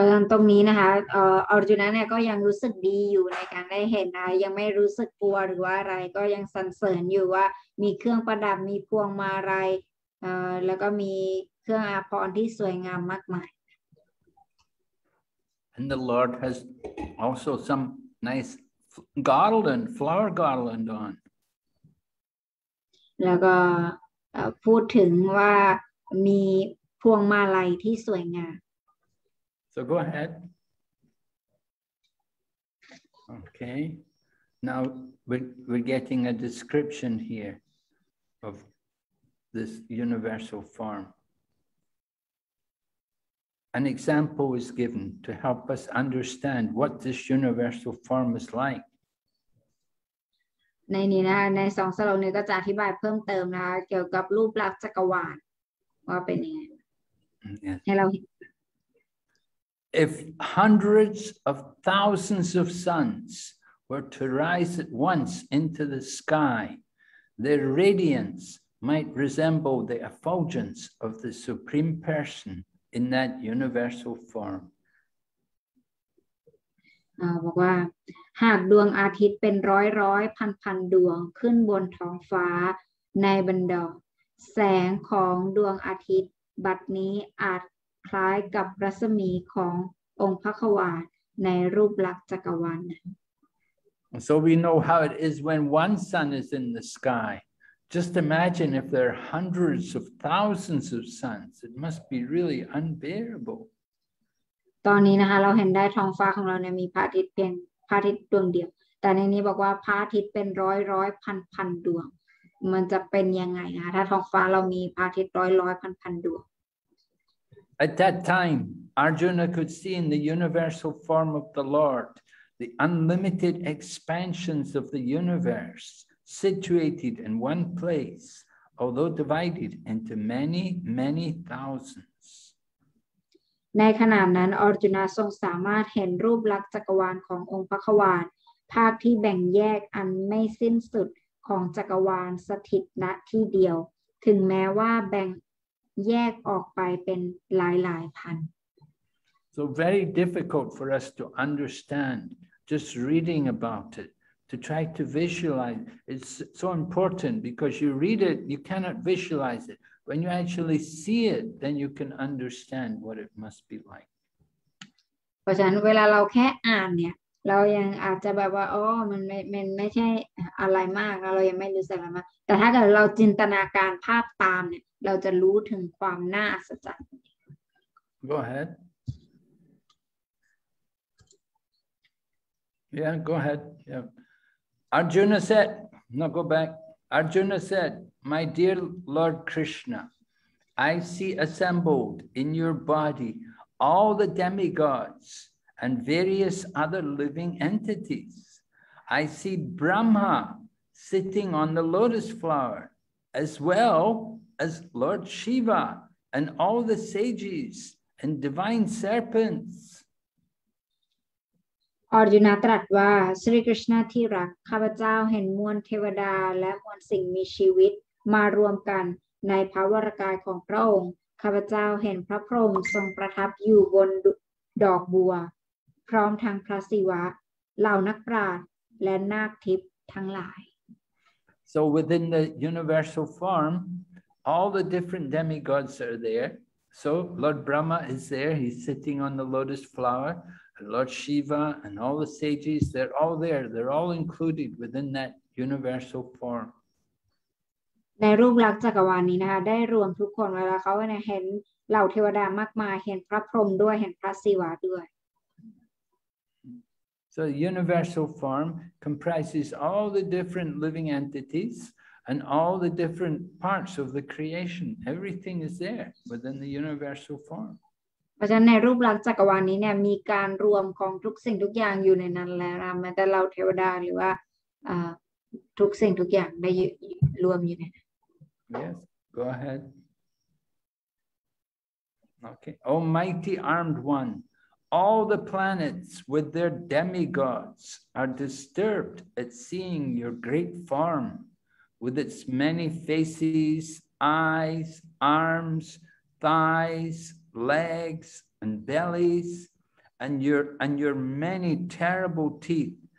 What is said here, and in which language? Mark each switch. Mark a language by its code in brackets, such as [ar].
[th] ตรงนี้นะคะอาร์จุนะเนี่ยก็ยังรู้สึกดีอยู่ในการได้เห็นนะยังไม่รู้สึกกลัวหรือว่าอะไรก็ยังสรรเสริญอยู่ว่ามีเครื่องประดับมีพวงมาลัยแล้วก็มีเครื่องอาภรณ์ที่สวยงามมากมาย [en] And the Lord has also some nice garland, flower garland on. [th] แล้วก็พูดถึงว่ามีพวงมาลัยที่สวยงาม [en] So go ahead. Okay. Now we're getting a description here of this universal form. An example is given to help us understand what this universal form is like. [th] ในนี้นะในสองสโลกนี้ก็จะอธิบายเพิ่มเติมนะเกี่ยวกับรูปลักษณ์จักรวาลว่าเป็นยังไง [en] yes. [th] ให้เราเห็น [en] If hundreds of thousands of suns were to rise at once into the sky, their radiance might resemble the effulgence of the Supreme Person in that universal form. [th] บอกว่าหากดวงอาทิตย์เป็นร้อยร้อยพันพันดวงขึ้นบนท้องฟ้าในบรรดาแสงของดวงอาทิตย์บัดนี้อาจคล้ายกับรัศมีขององค์พระควาในรูปลักษณ์จักรวาล [en] So we know how it is when one sun is in the sky. Just imagine if there are hundreds of thousands of suns. It must be really unbearable. [th] ตอนนี้นะคะเราเห็นได้ท้องฟ้าของเราเนี่ยมีพระอาทิตย์เพียงพระอาทิตย์ดวงเดียวแต่ในนี้บอกว่าพระอาทิตย์เป็นร้อยร้อยพันพันดวงมันจะเป็นยังไงนะถ้าท้องฟ้าเรามีพระอาทิตย์ร้อยร้อยพันพันดวง [en] At that time, Arjuna could see in the universal form of the Lord the unlimited expansions of the universe situated in one place, although divided into many, many thousands. [th] ในขณะนั้นอาร์จุนาทรงสามารถเห็นรูปลักษณ์จักรวาลขององค์พระควาลภาพที่แบ่งแยกอันไม่สิ้นสุดของจักรวาลสถิตณที่เดียว ถึงแม้ว่าแบ่งแยกออกไปเป็นหลายหลายพัน [en] So very difficult for us to understand just reading about it to try to visualize it's so important because you read it you cannot visualize it when you actually see it then you can understand what it must be like [th] เพราะฉะนั้นเวลาเราแค่อ่านเนี่ยเรายังอาจจะแบบว่าอ๋อมันไม่ใช่อะไรมากเรายังไม่รู้สึกอะไรมากแต่ถ้าเกิดเราจินตนาการภาพตามเนี่ยเราจะรู้ถึงความน่าอัศจรรย์ [en] Go ahead Yeah go ahead yeah Arjuna said no go back Arjuna said my dear Lord Krishna I see assembled in your body all the demigods and various other living entities. I see Brahma sitting on the lotus flower, as well as Lord Shiva and all the sages and divine serpents. [th] Arjuna ตรัสว่า Sri Krishna ที่รักข้าพเจ้าเห็นมวลเทวดาและมวลสิ่งมีชีวิตมารวมกันในพระวรกายของพระองค์ข้าพเจ้าเห็นพระพรหมทรงประทับอยู่บนดอกบัวพร้อมทั้งพระศิวะเหล่านักปราชญ์และนาคทิพย์ทั้งหลาย [en] So within the universal form all the different demigods are there so Lord Brahma is there he's sitting on the lotus flower and Lord Shiva and all the sages they're all there they're all included within that universal form [th] ในรูปลักษณ์จักรวาลนี้นะคะได้รวมทุกคนไว้แล้วเขาเนี่ยเห็นเหล่าเทวดามากมายเห็นพระพรหมด้วยเห็นพระศิวะด้วย [en] So universal form comprises all the different living entities and all the different parts of the creation. Everything is there within the universal form. [th] เพราะฉะนั้นในรูปลักษณ์จักรวาลนี้เนี่ยมีการรวมของทุกสิ่งทุกอย่างอยู่ในนั้นแล้วนะแม้แต่เหล่าเทวดาหรือว่าทุกสิ่งทุกอย่างได้รวมอยู่ใน [en] Yes, go ahead. Okay. Oh, mighty armed one, all the planets with their demigods are disturbed at seeing your great form with its many faces, eyes, arms, thighs, legs, and bellies, and your many terrible teeth.